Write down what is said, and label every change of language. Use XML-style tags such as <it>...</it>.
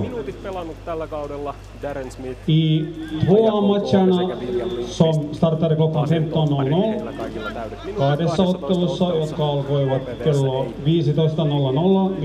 <fi>Minuutit pelannut tällä kaudella Darren Smith.</fi> <sv>I tvåa matcherna som startade klockan 15.00.</sv> <fi>Kahdessa ottelussa, jotka alkoivat kello 15.00.</fi>